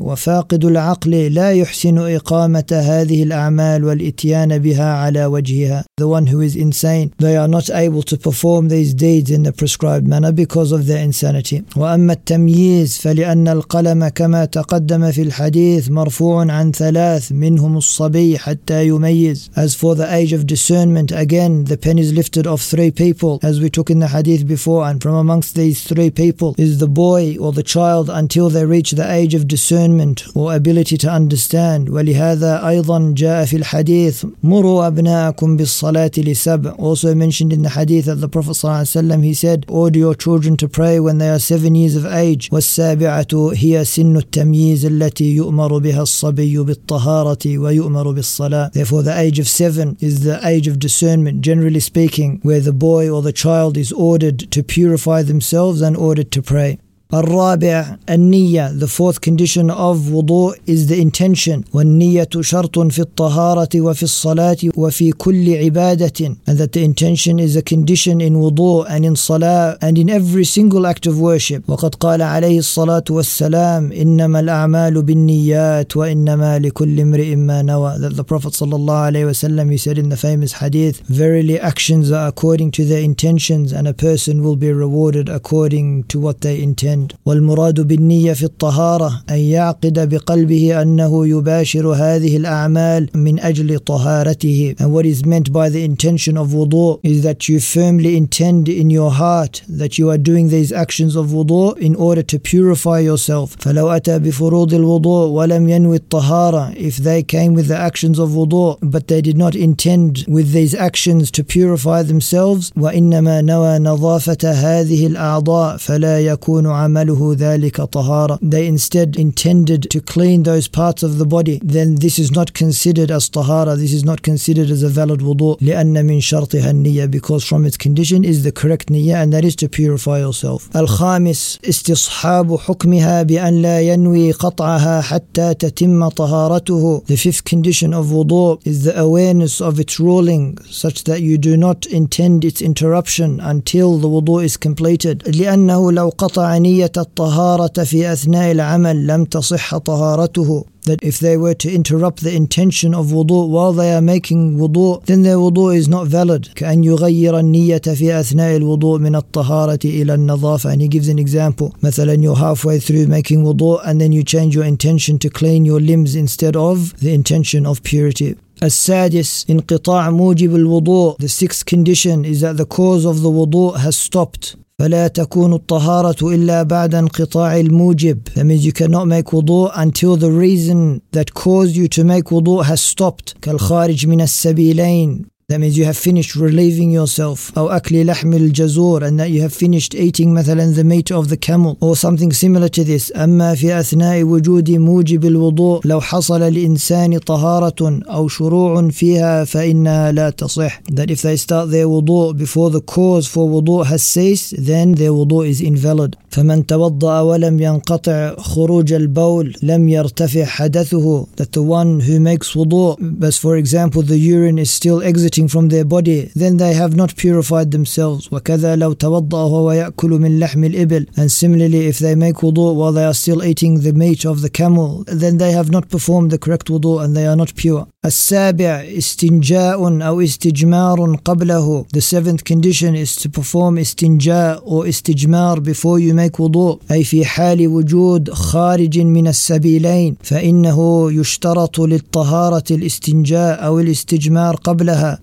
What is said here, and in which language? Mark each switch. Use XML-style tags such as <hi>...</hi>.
<ar>وفاقد العقل لا يحسن إقامة هذه الأعمال والإتيان بها على وجهها,</ar> <en>the one who is insane, they are not able to perform these deeds in the prescribed manner because of their insanity.</en> <ar>وأما التمييز فلأن القلم كما تقدم في الحديث مرفوع born عن ثلاث منهم الصبي حتى يميز.</ar> <en>As for the age of discernment, again the pen is lifted of three people, as we took in the hadith before, and from amongst these three people is the boy or the child until they reach the age of discernment or ability to understand.</en> <ar>ولهذا أيضا جاء في الحديث مروا أبناءكم بالصلاة لسبع.</ar> <en>Also mentioned in the hadith that the Prophet صلى الله عليه وسلم, he said, order your children to pray when they are 7 years of age.</en> <ar>والسابعة هي سن التمييز التي يؤمر بها الصبي بالطهارة ويؤمر بالصلاة.</ar> <en>Therefore the age of 7 is the age of discernment, generally speaking, where the boy or the child is ordered to purify themselves and ordered to pray.</en> <ar>الرابع النية.</ar> <en>The fourth condition of wudu is the intention.</en> <ar>والنية شرط في الطهارة وفي الصلاة وفي كل عبادة.</ar> <en>And that the intention is a condition in wudu and in salah and in every single act of worship.</en> <ar>وقد قال عليه الصلاة والسلام إنما الأعمال بالنيات وإنما لكل امرئ ما نوى.</ar> <en>That the Prophet صلى الله عليه وسلم, he said in the famous hadith, verily actions are according to their intentions and a person will be rewarded according to what they intend.</en> <ar>والمراد بالنية في الطهارة أن يعقد بقلبه أنه يباشر هذه الأعمال من أجل طهارته.</ar> <en>And what is meant by the intention of wudu is that you firmly intend in your heart that you are doing these actions of wudu in order to purify yourself.</en> <ar>فلو أتى بفروض الوضوء ولم ينوي الطهارة.</ar> <en>If they came with the actions of wudu but they did not intend with these actions to purify themselves,</en> <ar>وإنما نوى نظافة هذه الأعضاء فلا يكون عمله ذلك طهارة.</ar> <en>They instead intended to clean those parts of the body, then this is not considered as طهارة. This is not considered as a valid wudu.</en> <ar>لأن من شرطها النية,</ar> <en>because from its condition is the correct نية, and that is to purify yourself.</en> <ar>الخامس استصحاب حكمها بأن لا ينوي قطعها حتى تتم طهارته.</ar> <en>The fifth condition of wudu is the awareness of its ruling such that you do not intend its interruption until the wudu is completed.</en> <ar>لأنه لو قطع نية الطهارة في أثناء العمل لم تصح طهارته.</ar> <en>That if they were to interrupt the intention of wudu while they are making wudu, then their wudu is not valid.</en> <ar>كأن يغير النية في أثناء الوضوء من الطهارة إلى النظافة.</ar> <en>And he gives an example. مثلا, you're halfway through making wudu and then you change your intention to clean your limbs instead of the intention of purity.</en> <ar>السادس انقطاع موجب الوضوء.</ar> <en>The sixth condition is that the cause of the wudu has stopped.</en> <ar>فلا تكون الطهارة إلا بعد انقطاع الموجب.</ar> <en>That means you cannot make wudu until the reason that caused you to make wudu has stopped.</en> <ar>كالخارج من السبيلين.</ar> <en>That means you have finished relieving yourself.</en> <ar>أو أكل لحم الجزور.</ar> <en>And that you have finished eating مثلا the meat of the camel. Or something similar to this.</en> <ar>أما في أثناء وجود موجب الوضوء لو حصل لإنسان طهارة أو شروع فيها فإنها لا تصح.</ar> <en>That if they start their wudu before the cause for wudu has ceased, then their wudu is invalid.</en> <ar>فمن توضأ ولم ينقطع خروج البول لم يرتفع حدثه.</ar> <en>That the one who makes wudu, as for example the urine is still exiting from their body, then they have not purified themselves.</en> <ar>وكذا لو توضأ وهو يأكل من لحم الإبل.</ar> <en>And similarly, if they make wudu while they are still eating the meat of the camel, then they have not performed the correct wudu and they are not pure.</en> <ar>السابع استنجاء أو استجمار قبله.</ar> <en>The seventh condition is to perform استنجاء or استجمار before you make wudu.</en> <ar>أي في حال وجود خارج من السبيلين فإنه يشترط للطهارة الاستنجاء أو الاستجمار قبلها.</ar>